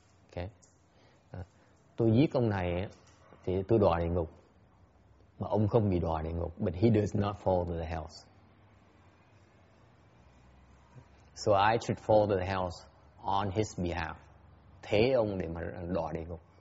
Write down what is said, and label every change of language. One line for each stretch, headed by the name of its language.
Vietnamese: Okay, tôi giết ông này thì tôi đọa địa ngục. Mà ông không bị đọa địa ngục.
English: But he does not fall to the hells. So I should fall to the hells on his behalf.
Vietnamese: Thế ông để mà đọa địa ngục.